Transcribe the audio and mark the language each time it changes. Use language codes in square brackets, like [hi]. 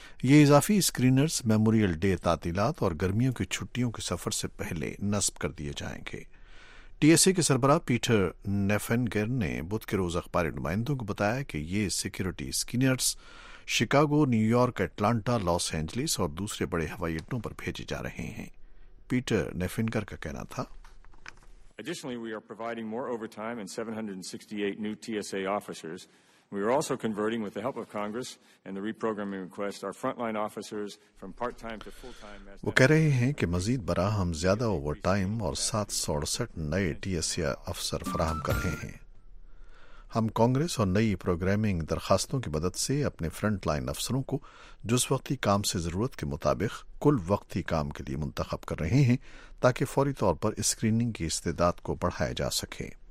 [ur] یہ اضافی اسکرینرز memorial day تعطیلات اور گرمیوں کی چھٹیوں کے سفر سے پہلے نصب کر دیے جائیں گے۔ ٹی ایس اے کے سربراہ پیٹر نیفنگر نے بدھ کے روز اخباری نمائندوں کو بتایا کہ یہ security اسکرینرز Chicago, new York, Atlanta, Los Angeles اور دوسرے بڑے ہوائی اڈوں پر بھیجے جا رہے ہیں۔ پیٹر نیفنگر کا کہنا تھا، [en] Additionally, we are providing more overtime and 768 new TSA officers. We are also converting, with the help of Congress and the reprogramming request, our frontline officers from part-time to full-time. [ur] وہ کہہ رہے ہیں کہ مزید براہم زیادہ اوور ٹائم اور 768 نئے T S A افسر فراہم کر رہے ہیں۔ ہم کانگریس اور نئی پروگرامنگ درخواستوں کی مدد سے اپنے فرنٹ لائن افسروں کو جس وقتی کام سے ضرورت کے مطابق کل وقتی کام کے لیے منتخب کر رہے ہیں تاکہ فوری طور پر اسکریننگ کی استعداد کو بڑھایا جا سکے۔